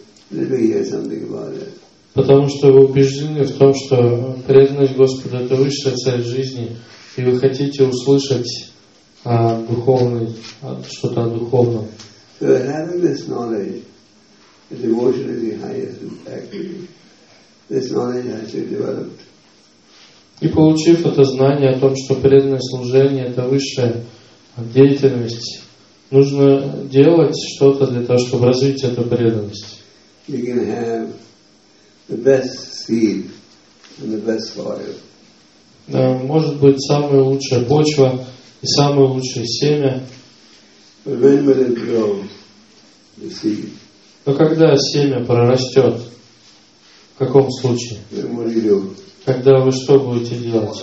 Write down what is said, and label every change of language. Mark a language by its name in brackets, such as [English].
[Russian] Потому что вы убеждены в том, что преданность Господу — это высшая цель жизни, и вы хотите услышать о духовной, что-то о духовном. [English] So having this knowledge, the devotion is the highest activity. This knowledge has to be developed. [Russian] И получив это знание о том, что преданное служение — это высшая деятельность, нужно делать что-то для того, чтобы развить эту преданность. [English] You can have the best seed and the best soil. [Russian] Может быть, самая лучшая почва и самое лучшее семя. [English] But when will it grow, the seed? [Russian] Но когда семя прорастет? В каком случае? [English] Then what do you do? [Russian] Когда вы что будете делать?